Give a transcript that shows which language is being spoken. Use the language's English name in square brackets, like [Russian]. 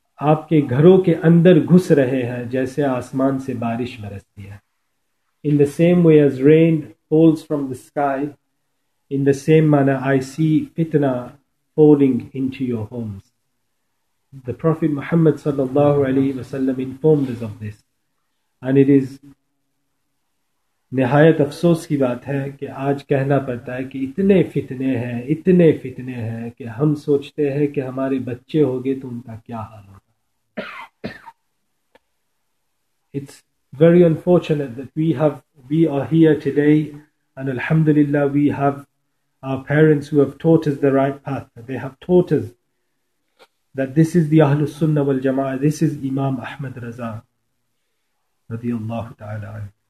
[Urdu] آپ کے گھروں کے اندر گھس رہے ہیں جیسے آسمان سے بارش برستی ہے. [English] In the same way as rain falls from the sky, in the same manner I see fitna falling into your homes. The Prophet Muhammad sallallahu alaihi wasallam informed us of this. And it is [Urdu] نہایت افسوس کی بات ہے کہ آج کہنا پڑتا ہے کہ اتنے فتنے ہیں کہ ہم سوچتے ہیں کہ ہمارے بچے ہو گئے تو ان کا کیا حال. [English] It's very unfortunate that we are here today, and alhamdulillah we have our parents who have taught us the right path. They have taught us that this is the Ahlus Sunnah wal Jama'ah, this is Imam Ahmad Raza radiallahu ta'ala.